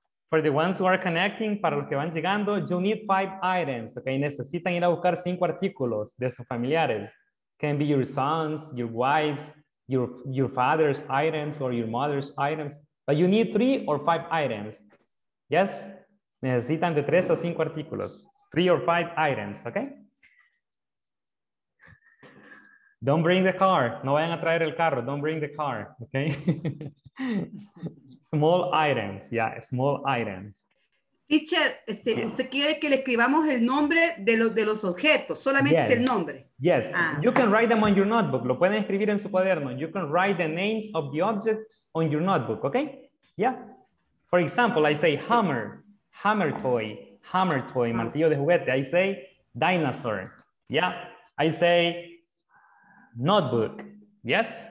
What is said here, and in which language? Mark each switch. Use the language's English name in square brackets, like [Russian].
[English] For the ones who are connecting, [Spanish] para los que van llegando, [English] you need five items, okay? [Spanish] Necesitan ir a buscar cinco artículos de sus familiares. [English] Can be your sons, your wives, your father's items or your mother's items, but you need three or five items. Yes? [Spanish] Necesitan de tres a cinco artículos. [English] Three or five items, okay? Don't bring the car. [Spanish] No vayan a traer el carro. [English] Don't bring the car, okay? Small items, yeah, small items. [Spanish] Teacher, usted quiere que le escribamos el nombre de los objetos, solamente yes. El nombre. [English] Yes, you can write them on your notebook. [Spanish] Lo pueden escribir en su cuaderno. [English] You can write the names of the objects on your notebook, okay? Yeah. For example, I say hammer toy, [Spanish] martillo de juguete. [English] I say dinosaur, yeah. I say notebook, yes.